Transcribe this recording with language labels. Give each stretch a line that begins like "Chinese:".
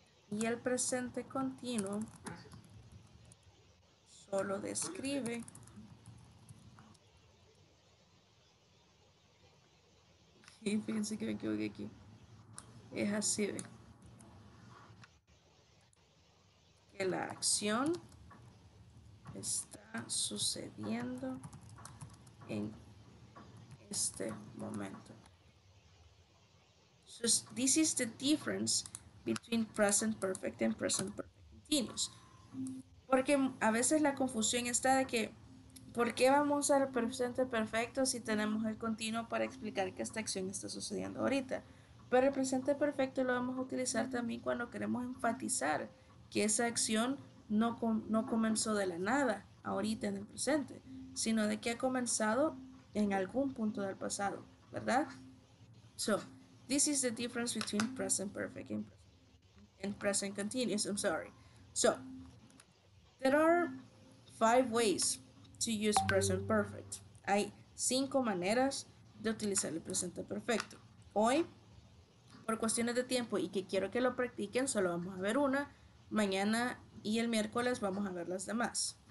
Spanish: Y el presente continuo solo describe y fíjense que me equivoqué aquí, es así de que la acción está sucediendo en este momento.
English: So this is the difference between present perfect and present perfect continuous.
Spanish: Porque a veces la confusión está de que ¿por qué vamos al presente perfecto si tenemos el continuo para explicar que esta acción está sucediendo ahorita? Pero el presente perfecto lo vamos a utilizar también cuando queremos enfatizar que esa acción no comenzó de la nada ahorita en el presente, sino de que ha comenzado en algún punto del pasado, ¿verdad?
English: So, this is the difference between present perfect and present continuous, I'm sorry. So, there are 5 ways to use present perfect.
Spanish: Hay 5 maneras de utilizar el presente perfecto. Hoy, por cuestiones de tiempo y que quiero que lo practiquen, solo vamos a ver una. Mañana y el miércoles vamos a ver las demás.